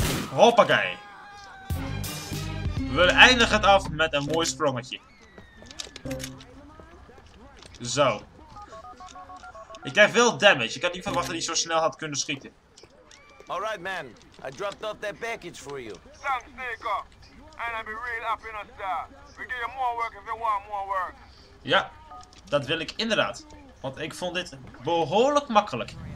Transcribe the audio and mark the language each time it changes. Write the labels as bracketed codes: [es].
[nl] Hoppakee. We eindigen het af met een mooi sprongetje. Zo. Ik krijg veel damage. Ik had niet verwacht dat hij zo snel had kunnen schieten. [en] Alright man, I dropped off that package for you. Thanks, Nico. And I'll be real happy in a star. We give you more work if you want more work. [nl] Ja, dat wil ik inderdaad. Want ik vond dit behoorlijk makkelijk.